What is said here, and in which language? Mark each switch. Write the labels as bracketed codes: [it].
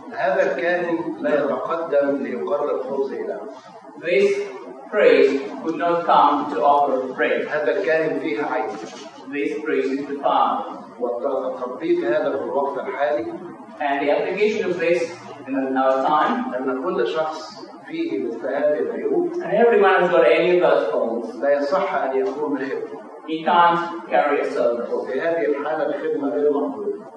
[ar] هذا الكاهن لا يتقدم ليقرب الخبز إلى. [en] This priest could not come to offer bread. [ar] هذا الكاهن فيه عيب. [en] This priest is defiled. [ar] وتطبيق هذا في الوقت الحالي. [en] And the application of this in our time. [ar] أن كل شخص فيه مثل هذه العيوب. [en] And everyone has got any of those faults. [ar] لا يصح أن يكون خدمة. [en] He can't carry a service. [ar] وفي هذه الحالة الخدمة غير مقبولة.